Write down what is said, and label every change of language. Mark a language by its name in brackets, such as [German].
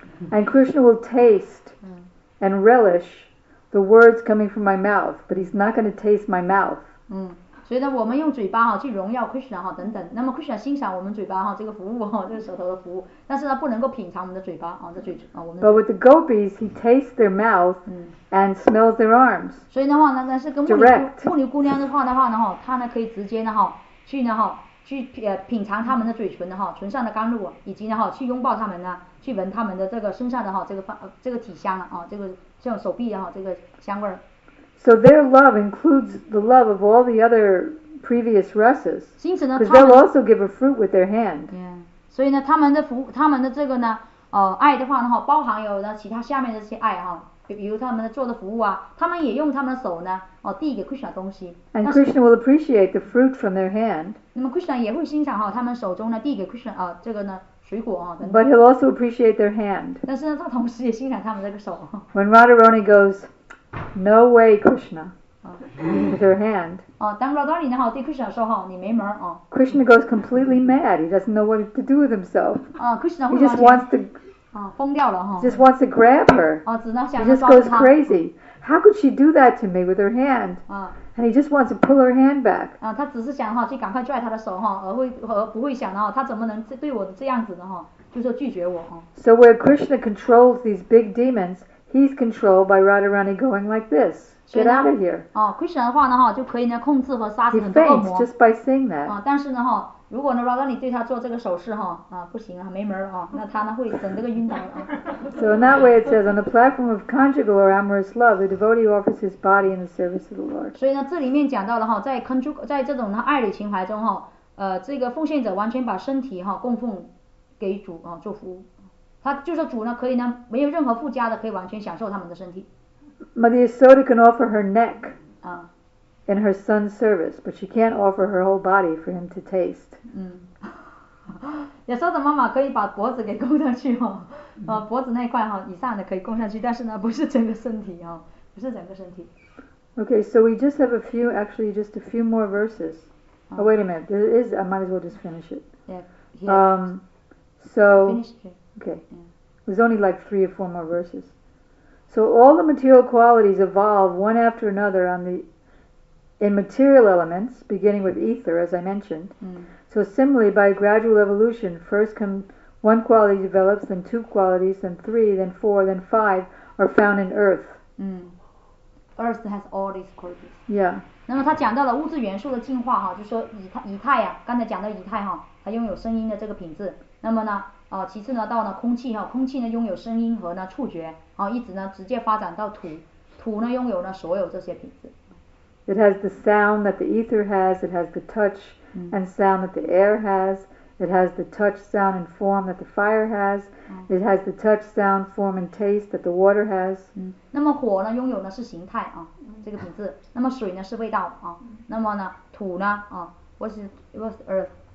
[English] And Krishna will taste and relish the words coming from my mouth, but he's not gonna taste my mouth. [Chinese] 所以呢，我们用嘴巴哈去荣耀 Krishna 哈等等，那么 Krishna 欣赏我们嘴巴哈这个服务哈，这个舌头的服务，但是呢不能够品尝我们的嘴巴啊，这嘴啊我们。 [English] But with the gopis, he tastes their mouth and smells their arms. [Chinese] 所以的话呢，但是跟牧女姑娘的话呢哈，她呢可以直接的哈去呢哈去品尝他们的嘴唇的哈，唇上的甘露，以及呢哈去拥抱他们呢，去闻他们的这个身上的哈这个体香啊，这个像手臂的哈这个香味。 [English] So their love includes the love of all the other previous rasas. Because they'll also give a fruit with their hand. Yeah. [Chinese] 所以呢，他们的服，他们的这个呢，爱的话呢，包含有呢其他下面的这些爱哈，比如他们做的服务啊，他们也用他们的手呢，递给 Krishna 东西。 [English] And Krishna will appreciate the fruit from their hand. [Chinese] 那么 Krishna 也会欣赏哈，他们手中呢递给 Krishna 这个呢。 [English] But he'll also appreciate their hand. [Chinese] 但是呢，他同时也欣赏他们这个手。 [English] When Radharani goes, no way, Krishna, with her hand. [Chinese] 当 Radharani 呢哈对 Krishna 说哈，你没门儿啊。 [English] Krishna goes completely mad. He doesn't know what to do with himself. Krishna he just wants to. [Chinese] 疯掉了哈。 [English] Just wants to grab her. [Chinese] 只能想抓他。 [English] He just goes crazy. How could she do that to me with her hand? And he just wants to pull her hand back. [Chinese] 他只是想哈去赶快拽他的手哈，而不会想哈他怎么能对我这样子呢哈，就说拒绝我哈。 [English] So where Krishna controls these big demons, he's controlled by Radharani going like this. Get out of here. [Chinese] Krishna 的话呢哈就可以呢控制和杀死很多恶魔。 [English] He faints just by saying that. [Chinese] 但是呢哈，如果呢 Radharani 对他做这个手势哈，不行啊，没门啊，那他呢会整这个晕倒啊。 [English] So in that way it says, on the platform of conjugal or amorous love, the devotee offers his body in the service of the Lord. [Chinese] 所以呢，这里面讲到了哈，在 conjugal 在这种呢爱侣情怀中哈，这个奉献者完全把身体哈供奉给主啊做服务，他就是主呢可以呢没有任何附加的，可以完全享受他们的身体。 [English] Mother Yasoda can offer her neck. In her son's service, but she can't offer her whole body for him to taste. [Chinese] 亚瑟的妈妈可以把脖子给供上去哈，脖子那块哈以上的可以供上去，但是呢，不是整个身体哦，不是整个身体。 [English] Okay, so we just have just a few more verses. Oh, wait a minute. There is. I might as well just finish it. Yeah. Here. So. Okay. Yeah. There's only like 3 or 4 more verses. So all the material qualities evolve one after another in material elements, beginning with ether, as I mentioned. So similarly, by gradual evolution, first come one quality develops, then 2 qualities, then 3, then 4, then 5 are found in earth. Earth has all these qualities. Yeah. [Chinese] 那么他讲到了物质元素的进化哈，就说以太呀，刚才讲到以太哈，它拥有声音的这个品质。那么呢，其次呢，到呢空气哈，空气呢拥有声音和呢触觉，一直呢直接发展到土，土呢拥有呢所有这些品质。 [English] It has the sound that the ether has, it has the touch and sound that the air has, it has the touch, sound, and form that the fire has, it has the touch, sound, form, and taste that the water has. [Chinese] 那么火呢拥有的是形态啊，这个品质，那么水呢是味道啊，那么呢土呢啊， [English] what's earth?